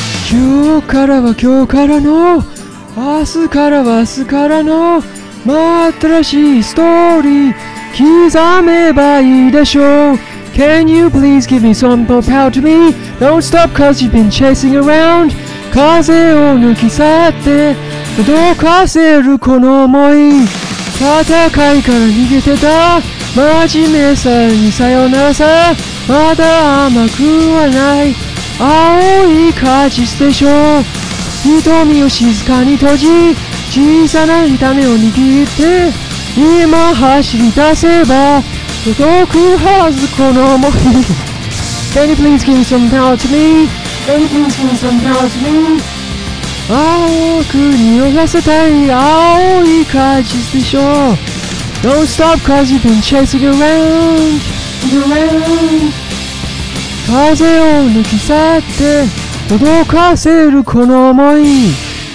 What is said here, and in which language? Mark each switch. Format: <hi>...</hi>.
<ja>今日からは今日からの、明日からは明日からの、新しいストーリー刻めばいいでしょう。</ja> <en>Can you please give me some more power to me? Don't stop cause you've been chasing around。</en> <ja>風を抜き去って届かせるこの思い。戦いから逃げてた真面目さにさよならさ、まだ甘くはない、青い果実でしょ、瞳を静かに閉じ、小さな痛みを握って、今走り出せば届くはずこの思い。</ja> <en>Can you please give some power to me? Can you please give some power to me?</en> <ja>青く匂わせたい青い果実でしょ。</ja> <en>Don't stop cause you've been chasing around, around.</en> <ja>風を抜き去って届かせるこの想い。</ja>